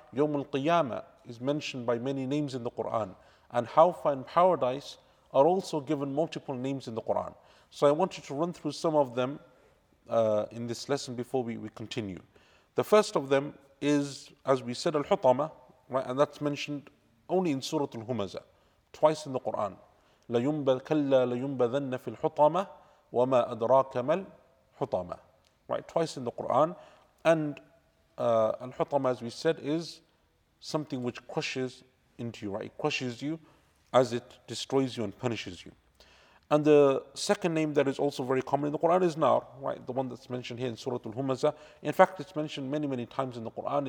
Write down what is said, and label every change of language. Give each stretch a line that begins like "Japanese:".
English: Yawm al-Qiyamah is mentioned by many names in the Quran. And Hawfa and Paradise are also given multiple names in the Quran. So I want you to run through some of them in this lesson before we continue. The first of them is, as we said, al-hutama, right? And that's mentioned only in Surah Al-Humazah, twice in the Quran.
Arabic: لَيُنْبَذَنَّ فِي الْحُطَامَةِ وَمَا أَدْرَاكَ مَا الْحُطَامَةِ, right?
English: Twice in the Quran. And al-hutama, as we said, is something which crushes into you, right? It crushes you as it destroys you and punishes you. And the second name that is also very common in the Quran is Nar, right? The one that's mentioned here in Surah Al-Humazah. In fact, it's mentioned many, many times in the Quran.